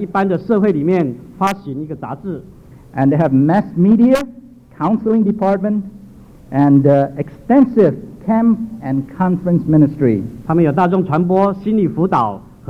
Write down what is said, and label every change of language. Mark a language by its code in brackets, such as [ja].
[zh] 他们的事工是在一般的社会里面发行一个杂志。 [en] And they have mass media, counseling department, and extensive camp and conference ministry. [zh] 他们有大众传播、心理辅导。